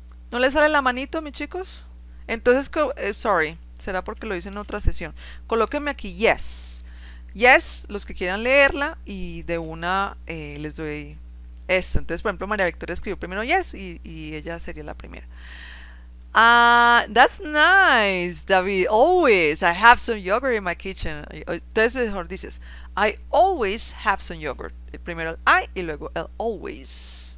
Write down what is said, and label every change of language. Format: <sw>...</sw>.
<es>¿No les sale la manito, mis chicos? Entonces, sorry, será porque lo hice en otra sesión. Colóquenme aquí, yes. Yes, los que quieran leerla y de una les doy esto. Entonces, por ejemplo, María Victoria escribió primero yes y ella sería la primera.</es> <en>Ah, that's nice, David. Always, I have some yogurt in my kitchen.</en> <es>Entonces, mejor dices,</es> <en>I always have some yogurt.</en> <es>Primero el I y luego el always.</es>